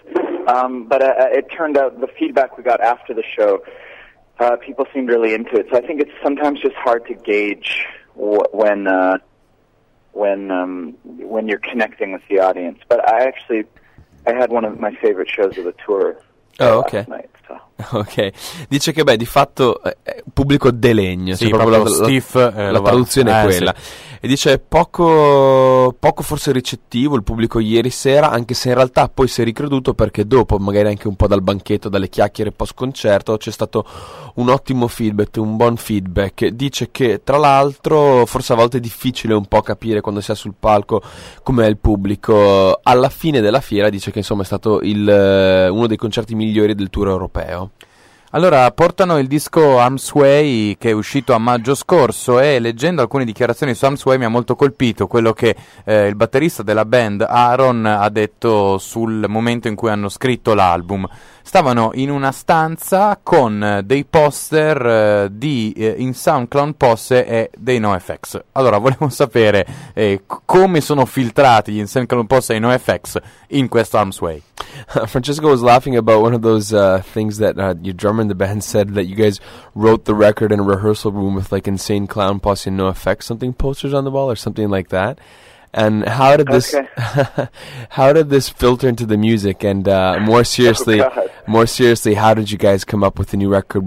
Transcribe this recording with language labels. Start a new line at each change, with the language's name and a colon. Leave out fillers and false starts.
English: But it turned out the feedback we got after the show, people seemed really into it. So I think it's sometimes just hard to gauge when you're connecting with the audience. But I had one of my favorite shows of the tour. Oh, okay.
Italian: Ok, dice che beh, di fatto pubblico de legno, sì, cioè proprio stiff, la produzione è quella, sì. E dice poco forse ricettivo il pubblico ieri sera, anche se in realtà poi si è ricreduto, perché dopo magari anche un po' dal banchetto, dalle chiacchiere post concerto, c'è stato un ottimo feedback, un buon feedback. Dice che tra l'altro forse a volte è difficile un po' capire quando si è sul palco com'è il pubblico. Alla fine della fiera dice che insomma è stato uno dei concerti migliori del tour europeo. Allora, portano il disco Armsway, che è uscito a maggio scorso, e leggendo alcune dichiarazioni su Armsway mi ha molto colpito quello che il batterista della band Aaron ha detto sul momento in cui hanno scritto l'album. Stavano in una stanza con dei poster di In Sound Clown Posse e dei NoFX. Allora, volevo sapere come sono filtrati gli In Sound Clown Posse e i NoFX in questo Armsway.
English: Francesco was laughing about one of those things that your drummer in the band said, that you guys wrote the record in a rehearsal room with like Insane Clown Posse and NoFX something posters on the wall or something like that. And how did this how did this filter into the music? And more seriously, how did you guys come up with the new record?